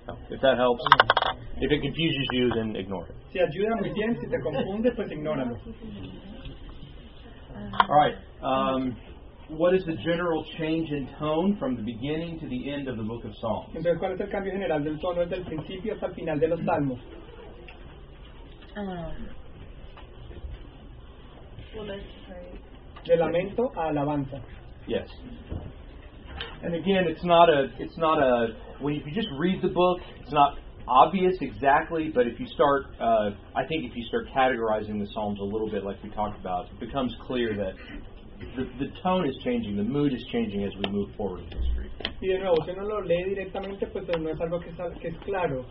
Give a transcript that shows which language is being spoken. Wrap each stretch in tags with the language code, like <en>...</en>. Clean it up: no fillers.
<en>If that helps, if it confuses you, then ignore it.</en> <es>Si ayuda muy bien, si te confunde, pues ignóralo.</es> <en>All right. What is the general change in tone from the beginning to the end of the Book of Psalms?</en> <es>Entonces, ¿cuál es el cambio general del tono desde el principio hasta el final de los Salmos?</es> <en>Well, that's great.</en> <es>De lamento a alabanza.</es> <en>Yes. And again, it's not a. If you just read the book, it's not obvious exactly. But if you start, I think if you start categorizing the Psalms a little bit, like we talked about, it becomes clear that the tone is changing, the mood is changing as we move forward in history.</en> <es>Y de nuevo, si uno lo lee directamente, pues no es algo que es claro.</es>